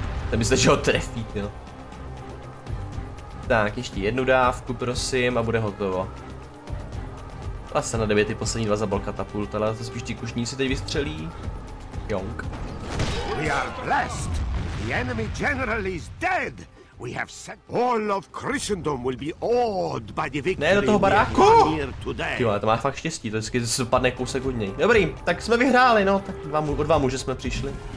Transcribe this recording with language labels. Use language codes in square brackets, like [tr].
[cs] Tak myslím, že ho trefí, jo. Tak, ještě jednu dávku, prosím, a bude hotovo. Vlastně na devět ty poslední dva zabal katapult, ale to spíš ty kušníci teď vystřelí. [en] Jonk. We are blessed. The enemy general is dead. We have set all of Christendom will be awed by the victory. [cs] Ne, do toho baráku! Jo, to má fakt štěstí, to vždycky spadne kousek od něj. Dobrý, tak jsme vyhráli, no, tak o dva muže jsme přišli.